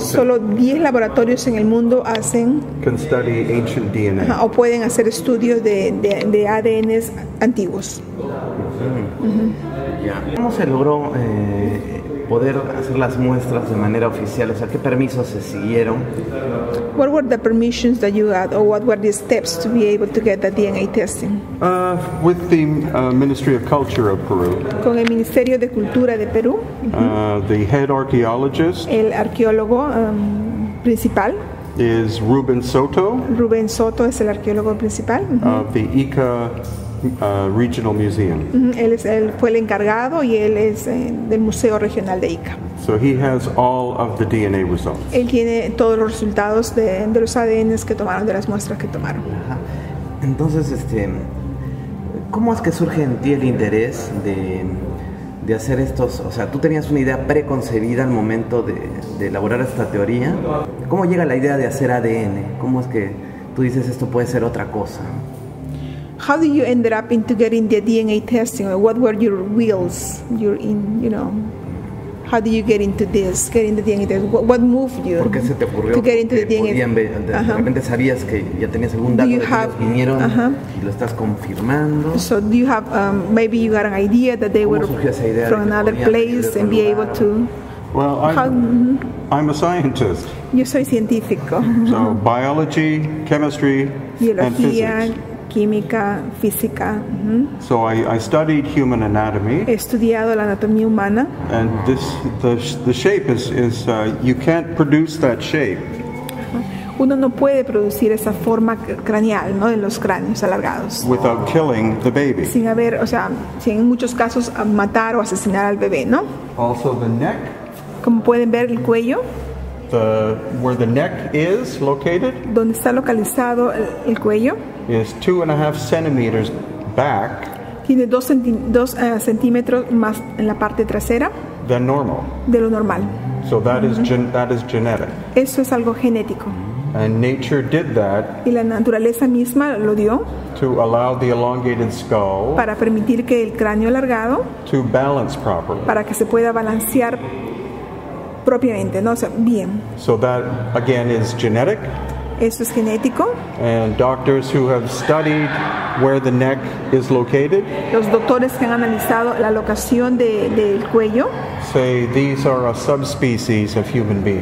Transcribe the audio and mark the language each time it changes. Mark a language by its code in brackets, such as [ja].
[es] Solo 10 laboratorios en el mundo hacen. [en] Can study ancient DNA. [es] O pueden hacer estudios de ADN antiguos. [en] Yeah. [es] ¿Cómo se logró poder hacer las muestras de manera oficial? O sea, ¿qué permisos se siguieron? [en] What were the permissions that you got, or what were the steps to be able to get the DNA testing? With the Ministry of Culture of Peru. [es] Con el Ministerio de Cultura de Perú. [en] The head archaeologist. [es] El arqueólogo principal. [en] Is Ruben Soto. [es] Ruben Soto es el arqueólogo principal. [en] Of the Ica Regional Museum. [es] Él fue el encargado y él es del Museo Regional de Ica. [en] So he has all of the DNA results. [es] Él tiene todos los resultados de los ADNs que tomaron, de las muestras que tomaron. Entonces, ¿cómo es que surge en ti el interés de hacer estos? O sea, tú tenías una idea preconcebida al momento de elaborar esta teoría. ¿Cómo llega la idea de hacer ADN? ¿Cómo es que tú dices esto puede ser otra cosa? [en] How did you end up into getting the DNA testing? What were your wheels? How did you get into this? Getting the DNA test. What moved you? [es] ¿Por qué se te ocurrió [en] to get into [es] que [en] the DNA? [es] De repente sabías que ya tenías algún dato que vinieron y lo estás confirmando. [en] So do you have maybe you got an idea that they were from another place and be able to? Well, I'm a scientist. [es] Yo soy científico. [en] So biology, chemistry, [es] biología, [en] and physics. [es] Química, física. [en] So I studied human anatomy. [es] He estudiado la anatomía humana. [en] And the shape is you can't produce that shape. [es] Uno no puede producir esa forma craneal, ¿no? En los cráneos alargados. [en] Without killing the baby. [es] Sin haber, o sea, sin en muchos casos matar o asesinar al bebé, ¿no? [en] Also the neck. [es] Como pueden ver el cuello. [en] Where the neck is located. [es] Donde está localizado el cuello. [en] Is 2.5 centimeters back. [es] Tiene 2 centímetros más en la parte trasera. [en] Than normal. [es] De lo normal. [en] So that is genetic. [es] Eso es algo genético. [en] And nature did that. [es] Y la naturaleza misma lo dio. [en] To allow the elongated skull. [es] Para permitir que el cráneo alargado. [en] To balance properly. [es] Para que se pueda balancear propiamente, ¿no? O sea, bien. [en] So that again is genetic. [es] Eso es genético. [en] And doctors who have studied where the neck is located. [es] Los doctores que han analizado la locación del cuello. [en] Say these are a subspecies of human being.